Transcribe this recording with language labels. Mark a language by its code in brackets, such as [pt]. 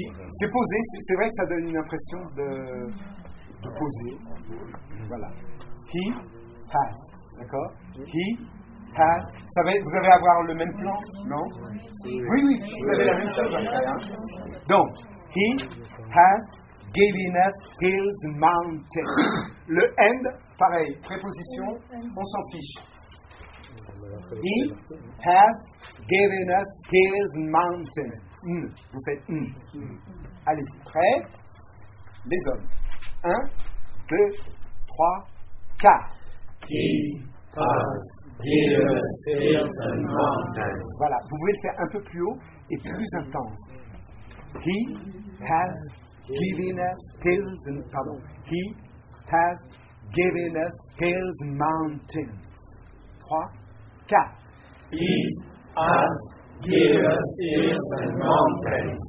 [fr] C'est posé, c'est vrai que ça donne une impression de poser. [en] Voilà. He has. D'accord. He has. [fr] Ça va être, vous allez avoir le même plan, non? Oui, oui, vous avez la même chose à faire. Hein? Donc, [en] he has given us hills and mountains. [fr] Le and, pareil, préposition, on s'en fiche. [en] He has given us hills and mountains. [fr] Vous faites un. Allez-y, prêt? Les hommes. Un, deux, trois, quatre. [en] He has. Hills and mountains. [fr] Voilà, vous pouvez le faire un peu plus haut et plus intense. [en] He has given us hills and pardon. He has given us hills and mountains. 3, 4. He has given us hills and mountains.